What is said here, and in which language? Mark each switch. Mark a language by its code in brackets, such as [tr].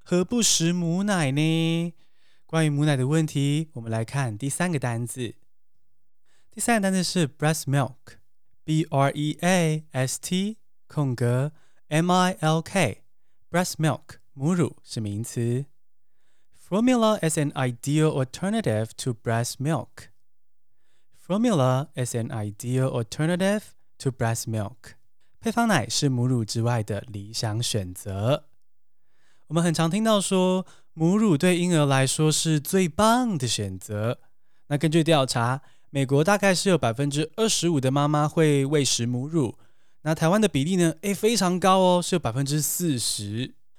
[zh] 何不食母奶呢？关于母奶的问题，我们来看第三个单字。第三个单字是 breast milk， B-R-E-A-S-T:MILK， breast milk 母乳是名词。 [en] Formula is an ideal alternative to breast milk. Formula is an ideal alternative to breast milk. [zh] 配方奶是母乳之外的理想选择。我们很常听到说，母乳对婴儿来说是最棒的选择。那根据调查，美国大概是有 25% 的妈妈会喂食母乳。那台湾的比例呢，诶，非常高哦，是有 40%。